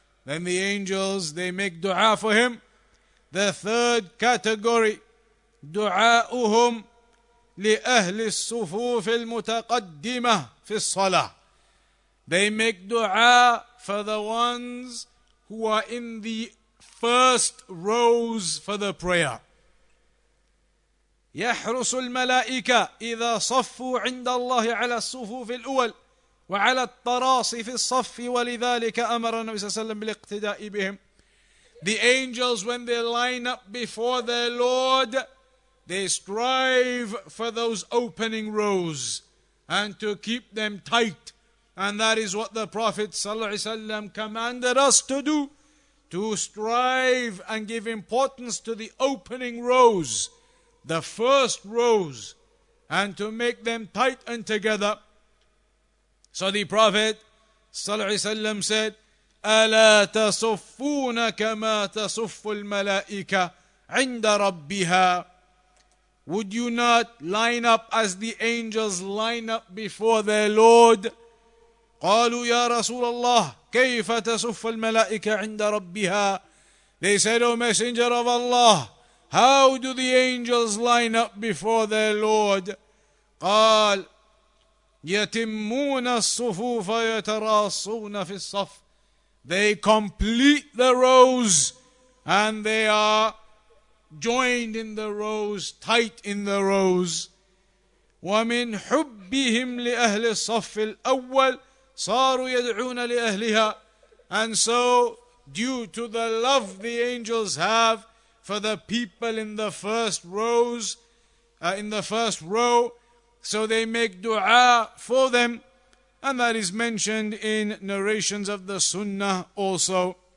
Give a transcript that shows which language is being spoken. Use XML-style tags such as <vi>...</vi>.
<en>Then the angels, they make dua for him. The third category,</en> <ar>du'a'uhum li ahli as-sufuf al-mutaqaddimah fi as-salah.</ar> <en>They make dua for the ones who are in the first rows for the prayer.</en> <ar>يحرس الملائكة إذا صفوا عند الله على الصفوف الأول وعلى التراصي في الصف ولذلك أمر النبي صلى الله عليه وسلم بالاقتداء بهم.</ar> <en>The angels, when they line up before their Lord, they strive for those opening rows and to keep them tight. And that is what the Prophet</en> <ar>صلى الله عليه وسلم</ar> <en>commanded us to do, to strive and give importance to the opening rows, the first rows, and to make them tight and together. So the Prophet</en> <ar>sallallahu alaihi wasallam</ar> <en>said,</en> <ar>"Ala tasuffuna kama tasuffu al-malaika 'inda rabbiha."</ar> <en>Would you not line up as the angels line up before their Lord?</en> <ar>قالوا يا رسول الله كيف تصف الملائكة عند ربها.</ar> <en>They said, O Messenger of Allah, how do the angels line up before their Lord?</en> <ar>قال يتمون الصفوف يتراصون في الصف.</ar> <en>They complete the rows and they are joined in the rows, tight in the rows.</en> <ar>ومن حبهم لأهل الصف الأول صاروا يدعون لأهلها.</ar> <en>And so, due to the love the angels have for the people in the first rows, so they make dua for them, and that is mentioned in narrations of the Sunnah also.</en>